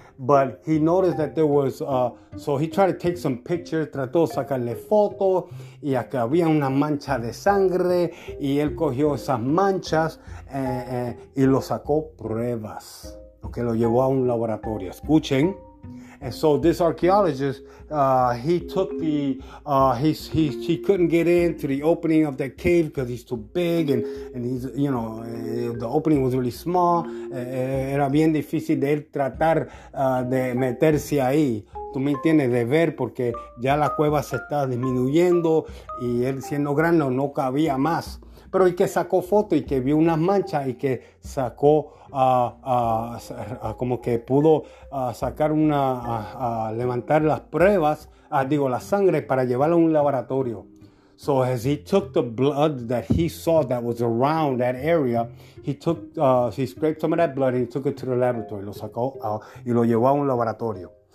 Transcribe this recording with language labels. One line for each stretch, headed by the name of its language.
English: But he noticed that there was, so he tried to take some pictures,
Spanish: trató de sacarle foto, y acá había una mancha de sangre, y él cogió esas manchas y lo sacó pruebas, que lo llevó a un laboratorio. Escuchen.
English: And so this archaeologist, he couldn't get into the opening of that cave because he's too big and he's, you know, the opening was really small.
Spanish: Era bien difícil de él tratar de meterse ahí. Tú me entiendes, de ver, porque ya la cueva se está disminuyendo y él siendo grande no cabía más. Pero y que sacó foto y que vio unas manchas y que sacó como que pudo sacar una, levantar las pruebas, la sangre para llevarla a un laboratorio.
English: So as he took the blood that he saw that was around that area, he scraped some of that blood and he took it to the laboratory.
Spanish: Lo sacó y lo llevó a un laboratorio.